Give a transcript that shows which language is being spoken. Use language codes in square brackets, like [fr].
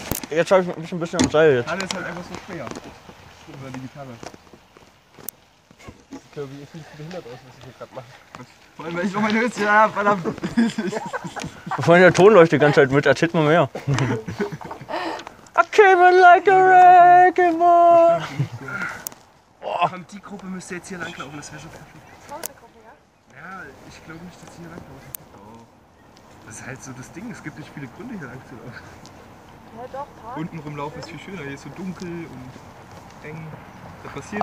[de] Jetzt schaue ich mich ein bisschen am Seil. Alles ist halt einfach so schwer. Über die Gitarre. Ich glaube, ich sehe behindert aus, was ich hier gerade mache. Vor allem, wenn ich noch meine Hülse habe, verdammt. Vor allem, der Ton leuchtet die ganze Zeit mit, erzählt mal mehr. [en] I came in like a wrecking ball. [de] Boah. Die Gruppe müsste jetzt hier langlaufen, das wäre schon perfekt. Das war eine Gruppe, ja? Ja, ich glaube nicht, dass hier langlaufen. Das ist halt so das Ding, es gibt nicht viele Gründe, hier langzulaufen. Ja, unten rum laufen ist viel schöner, hier ist so dunkel und eng. Da passiert